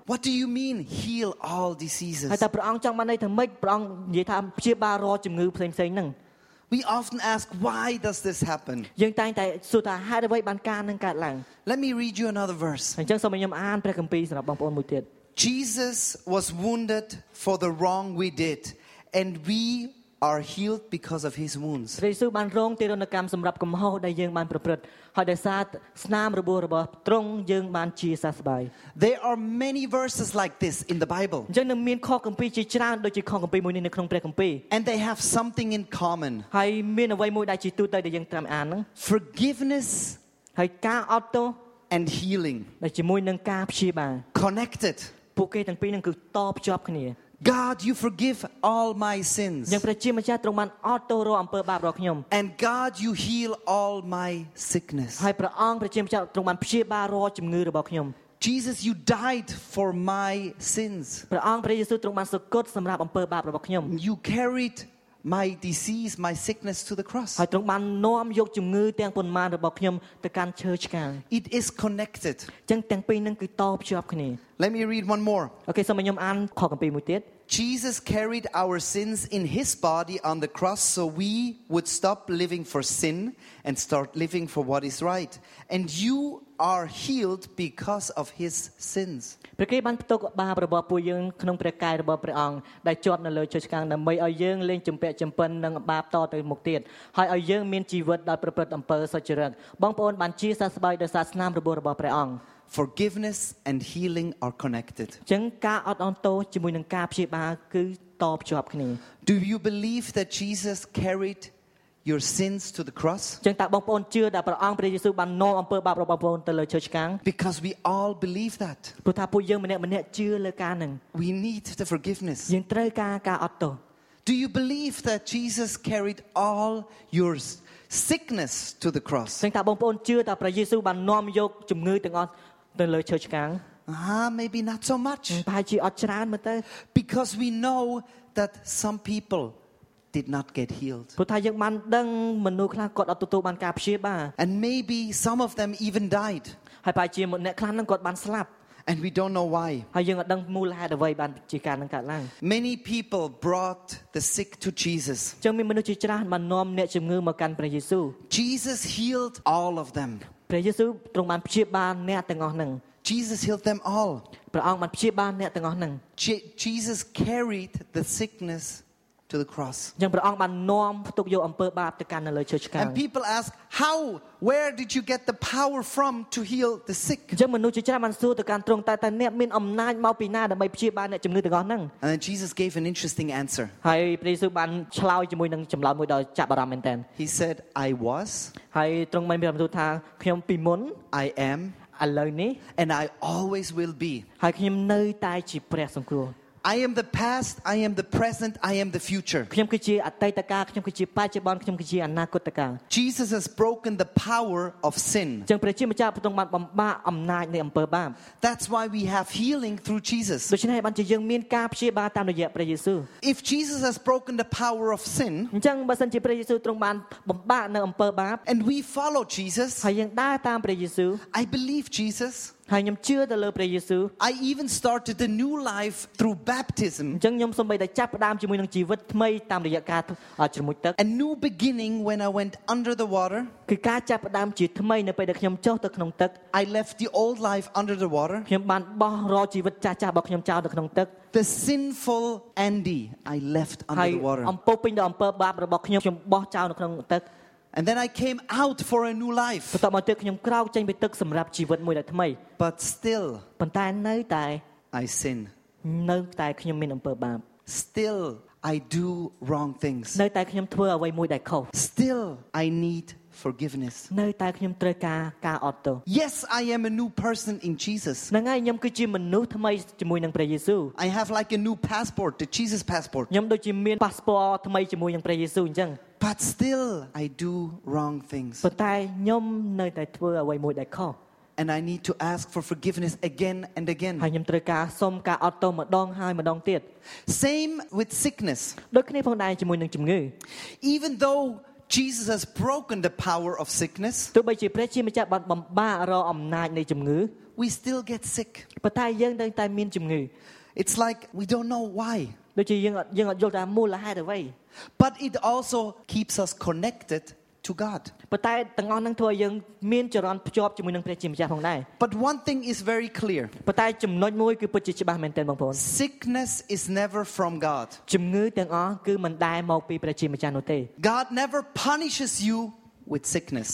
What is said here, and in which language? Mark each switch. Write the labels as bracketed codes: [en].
[en] What do you mean heal all diseases? [km] ហើយតើព្រះអង្គចង់បានន័យថាម៉េច? ព្រះអង្គនិយាយថាព្យាបាលរាល់ជំងឺផ្សេងៗហ្នឹង. [en] We often ask why does this happen? [km] យើងតែងតែសួរថាហេតុអ្វីបានការនឹងកើតឡើង? [en] Let me read you another verse. [km] អញ្ចឹងសូមឲ្យខ្ញុំអានព្រះគម្ពីរសម្រាប់បងប្អូនមួយទៀត. [en] Jesus was wounded for the wrong we did and we are healed because of his wounds. [km] ព្រះយេស៊ូវបានរងទារុណកម្មសម្រាប់កំហុសដែលយើងបានប្រព្រឹត្តហើយដោយសារស្នាមរបួសរបស់ទ្រង់យើងបានជាសះស្បើយ. [en] There are many verses like this in the Bible. [km] យើងនឹងមានខគម្ពីរជាច្រើនដូចជាខគម្ពីរមួយនេះនៅក្នុងព្រះគម្ពីរ. [en] And they have something in common. [km] ហើយមានអ្វីមួយដែលជាទូទៅដែលយើងត្រូវអានហ្នឹង. [en] Forgiveness [km] ហើយការអត់ទោស [en] and healing [km] ដែលជាមួយនឹងការព្យាបាល. [en] Connected [km] ពួកគេទាំងពីរនឹងគឺតភ្ជាប់គ្នា. [en] God, you forgive all my sins. [km] យើងព្រះជាម្ចាស់ទ្រង់បានអត់ទោសរាល់អំពើបាបរបស់ខ្ញុំ. [en] And God, you heal all my sickness. [km] ហើយព្រះអង្គព្រះជាម្ចាស់ទ្រង់បានព្យាបាលរាល់ជំងឺរបស់ខ្ញុំ. [en] Jesus, you died for my sins. [km] ព្រះអង្គព្រះយេស៊ូវទ្រង់បានសក្ដិសម្រាប់អំពើបាបរបស់ខ្ញុំ. [en] You carried my disease, my sickness to the cross. [km] ហើយទ្រង់បាននាំយកជំងឺទាំងប៉ុន្មានរបស់ខ្ញុំទៅកាន់ឈើឆ្កាង. [en] It is connected. [km] ចឹងទាំងពីរនឹងគឺតភ្ជាប់គ្នា. [en] Let me read one more. [km] Okay, សូមឲ្យខ្ញុំអានខគម្ពីរមួយទៀត. [en] Jesus carried our sins in his body on the cross so we would stop living for sin and start living for what is right. And you are healed because of his sins. [km] ព្រះគេបានផ្ទុកបាបរបស់ពួកយើងក្នុងព្រះកាយរបស់ព្រះអង្គដែលជាប់នៅលើឈើឆ្កាងដើម្បីឲ្យយើងលែងជំពាក់ចំពិននឹងបាបតទៅមុខទៀតហើយឲ្យយើងមានជីវិតដោយប្រព្រឹត្តអំពើសុចរិត. បងប្អូនបានជាសះស្បើយដោយសារស្នាមរបួសរបស់ព្រះអង្គ. [en] forgiveness and healing are connected. [km] ចឹងការអត់អន់ទោសជាមួយនឹងការព្យាបាលគឺតភ្ជាប់គ្នា. [en] Do you believe that Jesus carried your sins to the cross? [km] ចឹងតើបងប្អូនជឿថាព្រះអង្គព្រះយេស៊ូវបាននាំអំពើបាបរបស់បងប្អូនទៅលើឈើឆ្កាង? [en] Because we all believe that. [km] ព្រោះថាពួកយើងម្នាក់ៗជឿលើការហ្នឹង. [en] We need the forgiveness. [km] យើងត្រូវការការអត់ទោស. [en] Do you believe that Jesus carried all your sickness to the cross? [km] ចឹងតើបងប្អូនជឿថាព្រះយេស៊ូវបាននាំយកជំងឺទាំងអស់ទៅលើឈើឆ្កាង? [en] Maybe not so much. [km] បើជាអត់ច្រើនមកទៅ. [en] Because we know that some people did not get healed. [km] ព្រោះថាយើងបានដឹងមនុស្សខ្លះគាត់អត់ទទួលបានការព្យាបាល. [en] And maybe some of them even died. [km] ហើយបើជាអ្នកខ្លះនឹងគាត់បានស្លាប់. [en] And we don't know why. [km] ហើយយើងអត់ដឹងមូលហេតុអ្វីបានជាការនឹងកើតឡើង. [en] Many people brought the sick to Jesus. [km] ចឹងមានមនុស្សជាច្រើនបាននាំអ្នកជំងឺមកកាន់ព្រះយេស៊ូវ. [en] Jesus healed all of them. [km] ព្រះយេស៊ូវទ្រង់បានព្យាបាលអ្នកទាំងអស់ហ្នឹង. [en] Jesus healed them all. [km] ព្រះអង្គបានព្យាបាលអ្នកទាំងអស់ហ្នឹង. [en] Jesus carried the sickness to the cross. [km] យ៉ាងព្រះអង្គបាននាំផ្ទុកយកអំពើបាបទៅកាន់នៅលើឈើឆ្កា [en] ង. And people ask, "How? Where did you get the power from to heal the sick?" [km] យ៉ាងមនុស្សជាច្រើនបានសួរទៅកាន់ទ្រង់តើអ្នកមានអំណាចមកពីណាដើម្បីព្យាបាលអ្នកជំងឺទាំងអស់ហ្នឹង? [en] And then Jesus gave an interesting answer. [km] ហើយព្រះយេស៊ូវបានឆ្លើយជាមួយនឹងចម្លើយមួយដ៏ចាប់អារម្មណ៍មែនទែន. [en] He said, "I was." [km] ហើយទ្រង់បានប្រាប់ទៅថាខ្ញុំពីមុន [en] I am. [km] ឥឡូវនេះ [en] And I always will be. [km] ហើយខ្ញុំនៅតែជាព្រះសង្គ្រោះ. [en] I am the past, I am the present, I am the future. [km] ខ្ញុំគឺជាអតីតកាលខ្ញុំគឺជាបច្ចុប្បន្នខ្ញុំគឺជាអនាគតកាល. [en] Jesus has broken the power of sin. [km] ចឹងព្រះជាម្ចាស់ព្រះទ្រង់បានបំបាក់អំណាចនៃអំពើបាប. [en] That's why we have healing through Jesus. [km] ដូច្នេះបានជាយើងមានការព្យាបាលតាមរយៈព្រះយេស៊ូវ. [en] If Jesus has broken the power of sin, [km] ចឹងបើសិនជាព្រះយេស៊ូវទ្រង់បានបំបាក់នៅអំពើបាប. [en] And we follow Jesus. [km] ហើយយើងដើរតាមព្រះយេស៊ូវ. [en] I believe Jesus. [km] ហើយខ្ញុំជឿទៅលើព្រះយេស៊ូវ. [en] I even started the new life through baptism. [km] ចឹងខ្ញុំសូមបីតចាប់ផ្ដើមជាមួយនឹងជីវិតថ្មីតាមរយៈការជ្រមុជទឹក. [en] A new beginning when I went under the water. [km] គឺការចាប់ផ្ដើមជាថ្មីនៅពេលដែលខ្ញុំចុះទៅក្នុងទឹក. [en] I left the old life under the water. [km] ខ្ញុំបានបោះរជីវិតចាស់ៗរបស់ខ្ញុំចោលទៅក្នុងទឹក. [en] The sinful Andy I left under the water. [km] អំពើពេញដល់អំពើបាបរបស់ខ្ញុំបោះចោលនៅក្នុងទឹក. [en] And then I came out for a new life. [km] បន្តមកទៀតខ្ញុំក្រោកចេញពីទឹកសម្រាប់ជីវិតមួយដែលថ្មី. [en] But still. [km] ប៉ុន្តែនៅតែ [en] I sin. [km] នៅតែខ្ញុំមានអំពើបាប. [en] Still I do wrong things. [km] នៅតែខ្ញុំធ្វើអ្វីមួយដែលខុស. [en] Still I need forgiveness. [km] នៅតែខ្ញុំត្រូវការការអត់ទោស. [en] Yes, I am a new person in Jesus. [km] ណ៎ងាយខ្ញុំគឺជាមនុស្សថ្មីជាមួយនឹងព្រះយេស៊ូវ. [en] I have like a new passport, the Jesus passport. [km] ខ្ញុំដូចជាមានប៉ាសពតថ្មីជាមួយនឹងព្រះយេស៊ូវអញ្ចឹង. [en] But still I do wrong things. [km] ប៉ុន្តែខ្ញុំនៅតែធ្វើអ្វីមួយដែលខុស. [en] And I need to ask for forgiveness again and again. [km] ហើយខ្ញុំត្រូវការសុំការអត់ទោសម្ដងហើយម្ដងទៀត. [en] Same with sickness. [km] ដូចគ្នាផងដែរជាមួយនឹងជំងឺ. [en] Even though Jesus has broken the power of sickness. [km] ទោះបីជាព្រះជាម្ចាស់បានបំបាក់រអំណាចនៃជំងឺ. [en] We still get sick. [km] ប៉ុន្តែយើងនៅតែមានជំងឺ. [en] It's like we don't know why. [km] ដូចជាយើងអត់យល់ថាមូលហេតុអ្វី. [en] But it also keeps us connected to God. [km] ប៉ុន្តែទាំងអស់នឹងធ្វើឲ្យយើងមានចរន្តភ្ជាប់ជាមួយនឹងព្រះជាម្ចាស់ផងដែរ. [en] But one thing is very clear. [km] ប៉ុន្តែចំណុចមួយគឺពិតជាច្បាស់មែនទែនបងប្អូន. [en] Sickness is never from God. [km] ជំងឺទាំងអស់គឺមិនដែលមកពីព្រះជាម្ចាស់នោះទេ. [en] God never punishes you with sickness.